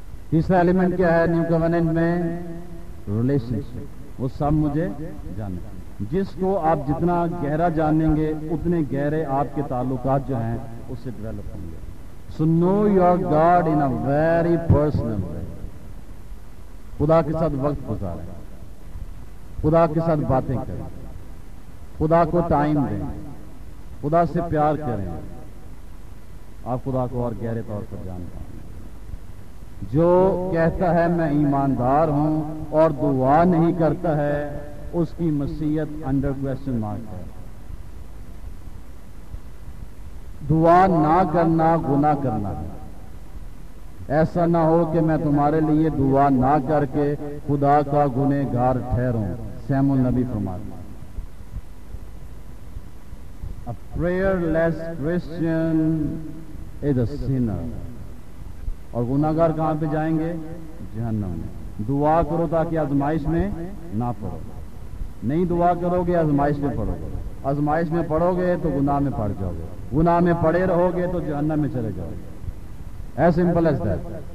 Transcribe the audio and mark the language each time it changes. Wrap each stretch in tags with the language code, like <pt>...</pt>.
<ur>تیسرا ایلیمنٹ کیا ہے نیو کووننٹ میں؟ ریلیشن شپ. وہ سب مجھے جانے گا. جس کو آپ جتنا گہرا جانیں گے اتنے گہرے آپ کے تعلقات جو ہیں اس سے ڈیولپ ہوں گے.</ur> <en>So know your God in a very personal way.</en> <ur>خدا کے ساتھ وقت گزاریں, خدا کے ساتھ باتیں کریں, خدا کو ٹائم دیں, خدا سے پیار کریں, آپ خدا کو اور گہرے طور پر جان پائیں. جو کہتا ہے میں ایماندار ہوں اور دعا نہیں کرتا ہے اس کی مسیحیت انڈر کوشچن مارک ہے. دعا نہ کرنا گناہ کرنا ہے. ایسا نہ ہو کہ میں تمہارے لیے دعا نہ کر کے خدا کا گنہ گار ٹھہروں. سیمول نبی فرماتا ہے</ur> <en>A prayer less Christian is a sinner.</en> <ur>اور گناہ گار کہاں پہ جائیں گے؟ جہنم میں. دعا کرو تاکہ آزمائش میں نہ پڑو. نہیں دعا کرو گے آزمائش میں پڑو گے. آزمائش میں پڑو گے تو گناہ میں پڑ جاؤ گے, گناہ میں پڑے رہو گے تو جہنم میں چلے جاؤ گے.</ur> <en>As simple as that.</en>